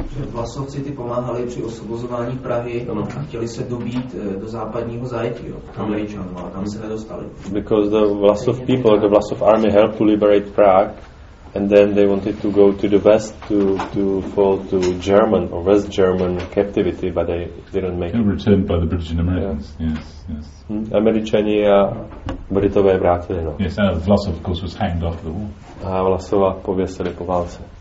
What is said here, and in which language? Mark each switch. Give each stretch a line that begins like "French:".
Czech: Vlasovci ty pomáhali při osvobozování Prahy a chtěli se dobít do západního zajetí, Američanů, a tam se nedostali.
English: Because the Vlasov people, the Vlasov army helped to liberate Prague, and then they wanted to go to the west to fall to German or West German captivity, but they didn't make it. Returned by the British and Americans. Yes.
Czech: Američani a Britové vrátili. No.
English: Yes, and Vlasov, of course, was hanged after the war.
Czech: A Vlasova pověsili po válce.